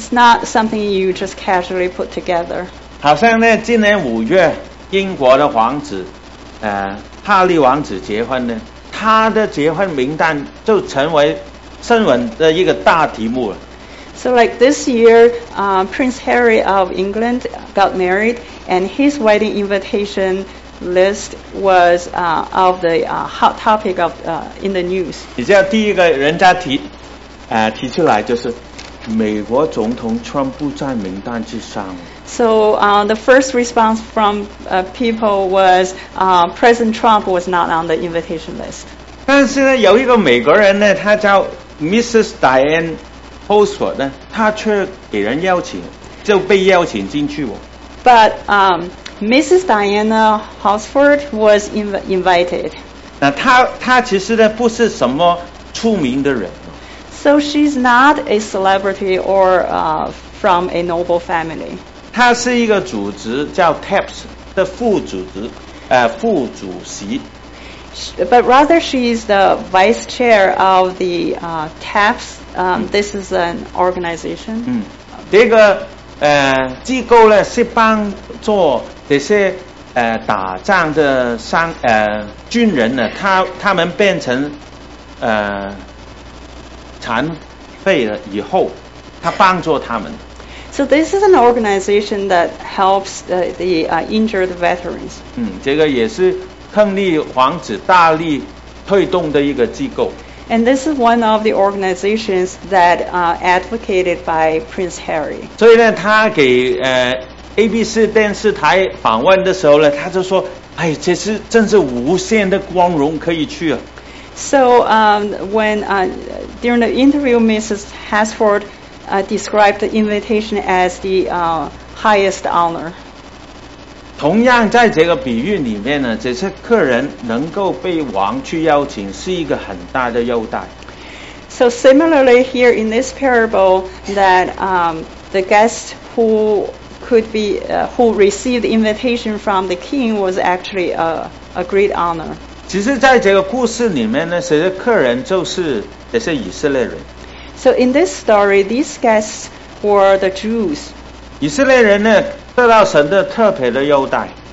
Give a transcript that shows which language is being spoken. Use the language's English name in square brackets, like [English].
[English] It's not something you just casually put together. [Chinese] 好像呢，今年五月，英国的王子，哈利王子结婚呢，他的结婚名单就成为新闻的一个大题目了。 [English] So like this year, Prince Harry of England got married, and his wedding invitation. List was of the hot topic of in the news. [Chinese] 你知道第一个人家提出来就是美国总统 Trump 不在名单之上。 [English] So the first response from people was President Trump was not on the invitation list. [Chinese] 但是呢，有一个美国人呢，他叫 Mrs. Diane Hosford 呢，他却给人邀请，就被邀请进去哦。 [English] But Mrs. Diana Hosford was invited. [Chinese] 那她其实呢不是什么出名的人。 [English] So she's not a celebrity or from a noble family. [Chinese] 她是一个组织叫 TAPS 的副组织，副主席。 [English] But rather she's the vice chair of the TAPS. This is an organization. [Chinese] 这个机构呢是帮助这些打仗的军人呢，他们变成残废了以后，他帮助他们。 [English] So this is an organization that helps the injured veterans. [Chinese] 这个也是亨利王子大力推动的一个机构。 [English] And this is one of the organizations that advocated by Prince Harry. [Chinese] 所以呢，他给ABC 电视台访问的时候呢，他就说：“哎，这是真是无限的光荣，可以去啊。” [English] So when during the interview, Mrs. Hosford described the invitation as the highest honor. [Chinese] 同样在这个比喻里面呢，这些客人能够被王去邀请，是一个很大的优待。 [English] So similarly here in this parable, that the guest who could be who received invitation from the king was actually a great honor. [Chinese] 其实在这个故事里面呢，这些客人就是这些以色列人。 [English] So in this story, these guests were the Jews. [Chinese] 以色列人呢，得到神的特别的优待。